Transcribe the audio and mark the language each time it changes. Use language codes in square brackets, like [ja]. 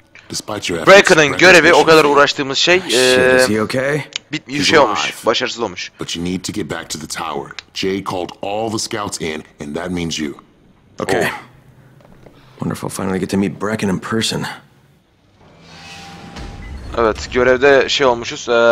[en] Despite your efforts, [tr] Breaker'ın görevi o kadar uğraştığımız şey bitmiş, şey olmuş, başarısız olmuş. [en] But you need to get back to the tower. Jay called all the scouts in, and that means you. Okay. Oh. Wonder if I'll finally get to meet Breaker in person. [tr] Evet, görevde şey olmuşuz.